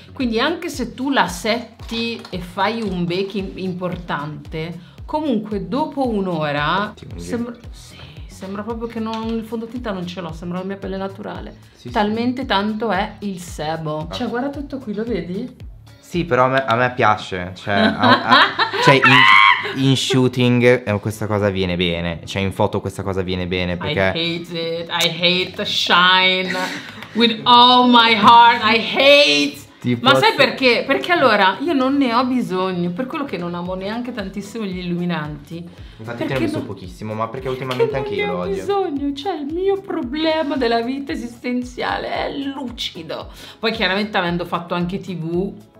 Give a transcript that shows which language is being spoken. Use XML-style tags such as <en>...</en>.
<it>Quindi anche se tu la setti e fai un baking importante, comunque dopo un'ora sembra proprio che non, il fondotinta non ce l'ho, sembra la mia pelle naturale. Sì, talmente tanto è il sebo. Ah. Cioè guarda tutto qui, lo vedi? Sì, però a me piace. Cioè, in shooting questa cosa viene bene. Cioè in foto questa cosa viene bene perché...</it> <en>I hate shine with all my heart.</en> <it>Ma sai perché? Perché allora io non ne ho bisogno, per quello che non amo neanche tantissimo gli illuminanti. Infatti te ne ho messo pochissimo, ma perché ultimamente anche io lo odio. Non ne ho bisogno, cioè il mio problema della vita esistenziale è lucido. Poi chiaramente avendo fatto anche TV.</it>